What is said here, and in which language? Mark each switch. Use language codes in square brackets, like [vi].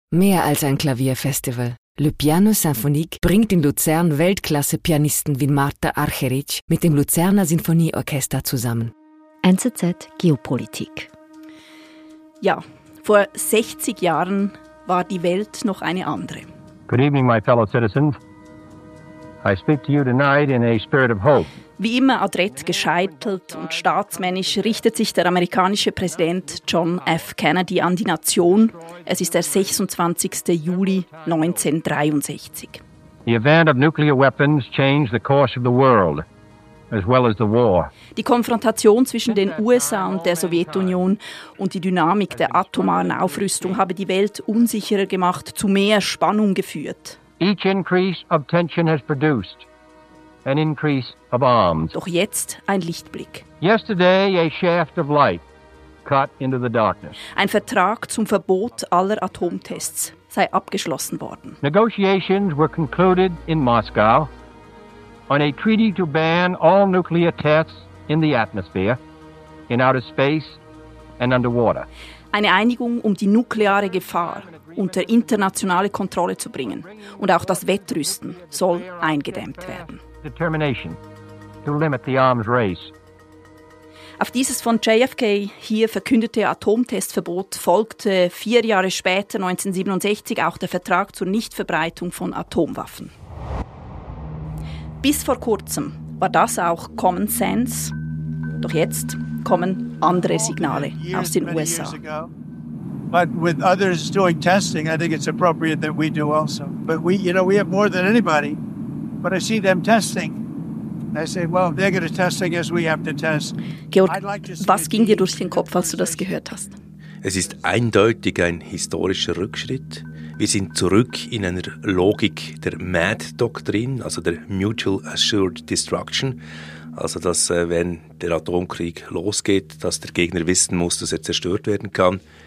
[de] Mehr als ein Klavierfestival. Le Piano Symphonique bringt in Luzern Weltklasse-Pianisten wie Marta Archerich mit dem Luzerner Sinfonieorchester zusammen. NZZ Geopolitik. Ja, vor 60 Jahren war die Welt noch eine andere. [en] Good evening, my fellow citizens. I speak to you tonight in a spirit of hope. [de] Wie immer adrett gescheitelt und staatsmännisch richtet sich der amerikanische Präsident John F. Kennedy an die Nation. Es ist der 26. Juli 1963. [en] The advent of nuclear weapons changed the course of the world, as well as the war. [de] Die Konfrontation zwischen den USA und der Sowjetunion und die Dynamik der atomaren Aufrüstung habe die Welt unsicherer gemacht, zu mehr Spannung geführt. [en] Each increase of tension has produced an increase of arms. [de] Doch jetzt ein Lichtblick. [en] Yesterday a shaft of light cut into the darkness. [de] Ein Vertrag zum Verbot aller Atomtests sei abgeschlossen worden. [en] Negotiations were concluded in Moscow on a treaty to ban all nuclear tests in the atmosphere, in outer space and underwater. [de] Eine Einigung, um die nukleare Gefahr unter internationale Kontrolle zu bringen, und auch das Wettrüsten soll eingedämmt werden. [en] Determination to limit the arms race. [de] Auf dieses von JFK hier verkündete Atomtestverbot folgte vier Jahre später, 1967, auch der Vertrag zur Nichtverbreitung von Atomwaffen. Bis vor kurzem war das auch Common Sense, doch jetzt kommen andere Signale aus den USA. [en] But with others doing testing, I think it's appropriate that we do also. But we, you know, we have more than anybody. But I see them testing. I say, well, if they're going to test, I guess we have to test. [de] Georg, was ging dir durch den Kopf, als du das gehört hast? Es ist eindeutig ein historischer Rückschritt. Wir sind zurück in einer Logik der MAD-Doktrin, also der Mutual Assured Destruction. Also, dass wenn der Atomkrieg losgeht, dass der Gegner wissen muss, dass er zerstört werden kann.